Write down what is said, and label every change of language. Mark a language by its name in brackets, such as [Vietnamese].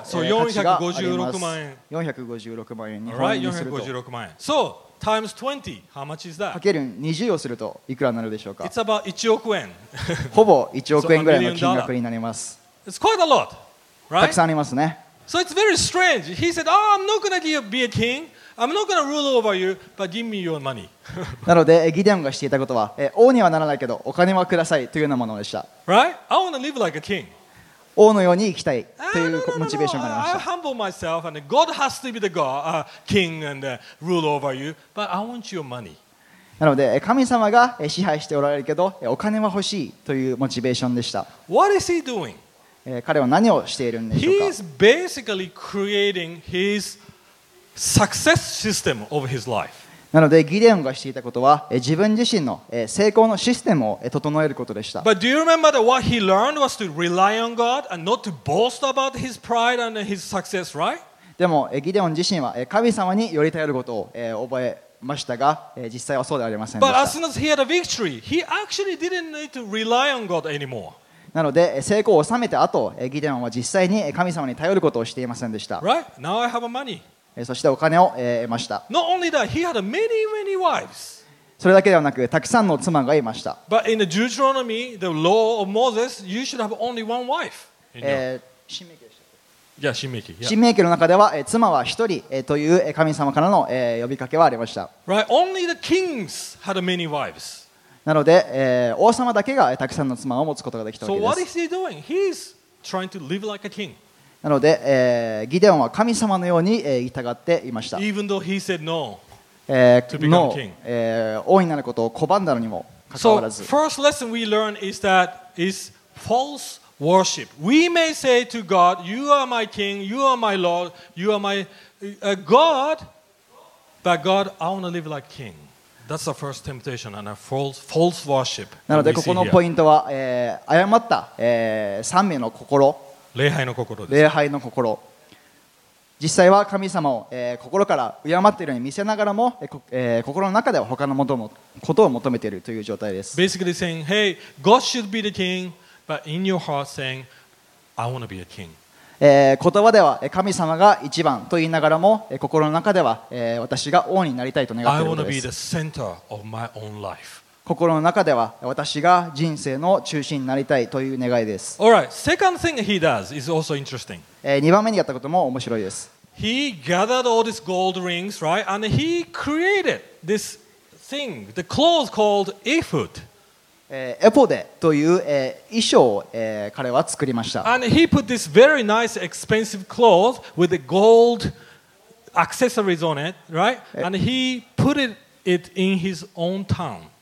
[Japanese] 価値があります。 456万円。 456万円。 [English] So, times 20, how much is that? [Japanese] かける20をするといくらになるでしょうか? [English] It's about [Japanese] 1億円。ほぼ1億円ぐらいの金額になります。 [English] It's quite a lot, right? [Japanese] たくさんありますね。 [English] So it's very strange. He said, oh, I'm not going to be a king. I'm not gonna rule over you, but give me your money. [Japanese] なので、ギデオンがしていたことは、王にはならないけど、お金はくださいというようなものでした。 [English] Right? I wanna live like a king. [Japanese] 王のように生きたいというモチベーションがありました。 [English] I humble myself, and God has to be the God, king, and rule over you, but I want your money. [Japanese] なので、神様が支配しておられるけど、お金は欲しいというモチベーションでした。 [English] What is he doing? [Japanese] 彼は何をしているんでしょうか? [English] He is basically creating hisSuccess system of his life. [Japanese] なのでギデオンがしていたことは自分自身の成功のシステムを整えることでした。 [English] But do you remember that what he learned was to rely on God and not to boast about his pride and his success, right? [Japanese] でもギデオン自身は神様により頼ることを覚えましたが実際はそうではありませんでした。 [English] But as soon as he had a victory, he actually didn't need to rely on God anymore. [Japanese] なので成功を収めた後ギデオンは実際に神様に頼ることをしていませんでした。 [English] Right? Now I have money. [Japanese] そしてお金を得ました。 [English] Not only that, he had many, many wives. [Japanese] それだけではなく、たくさんの妻がいました。 [English] But in the Deuteronomy, the law of Moses, you should have only one wife. [Japanese] Shimeki の中では、妻は一人という神様からの呼びかけはありました。 [English] Right? Only the kings had many wives. [Japanese] なので、王様だけがたくさんの妻を持つことができたわけです。 [English] So what is he doing? He's trying to live like a king. [Japanese] なので、ギデオンは神様のように従っていました。 [English] Even though he said no to become king. [Japanese] 王になることを拒んだのにもかかわらず。 [English] So, first lesson we learn is that is false worship. We may say to God, you are my king, you are my lord, you are my God, but God, I want to live like king. That's the first temptation and a false worship. [Japanese] なので、ここのポイントは、誤った、賛美の心。礼拝の心です。礼拝の心。実際は神様を、心から敬っているように見せながらも、心の中では他のことを求めているという状態です。 [English] Basically saying, hey, God should be the king, but in your heart saying, I want to be a king. [Japanese] 言葉では神様が一番と言いながらも、心の中では、私が王になりたいと願っているのです。 [English] I want to be the center of my own life. [Japanese] 心の中では私が人生の中心になりたいという願いです。 [English] All right. Second thing he does is also interesting. [Japanese] 2番目にやったことも面白いです。 [English] He gathered all these gold rings, right? And he created this thing, the clothes called ephod. [Japanese] エポデという衣装を彼は作りました。 [English] And he put this very nice expensive clothes with the gold accessories on it, right? And he put it in his own town.